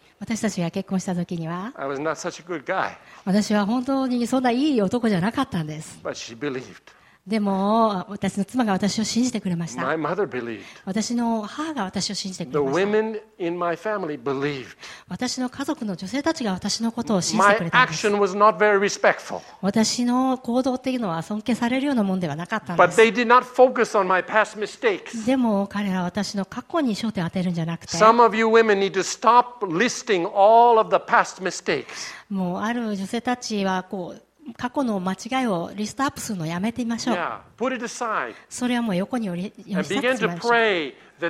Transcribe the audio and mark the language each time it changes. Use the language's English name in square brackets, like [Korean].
[Japanese] 私たちが結婚した時には [English] I was not such a good guy. [Japanese] 私は本当にそんないい男じゃなかったんです。 [English] But she believed. [Japanese] でも私の妻が私を信じてくれました。 [English] My mother believed. [Japanese] 私の母が私を信じてくれました。 [English] The women in my family believed. [Japanese] 私の家族の女性たちが私のことを信じてくれたんです。 [English] My action was not very respectful. [Japanese] 私の行動っていうのは尊敬されるようなものではなかったんです。 [English] But they did not focus on my past mistakes. [Japanese] でも彼らは私の過去に焦点を当てるんじゃなくて、 [English] Some of you women need to stop listing all of the past mistakes. [Japanese] もうある女性たちはこう過去の間違いをリストアップするのをやめてみましょう。 [English] Yeah, put it aside. [Japanese] それはもう横に寄り添ってしまいましょう。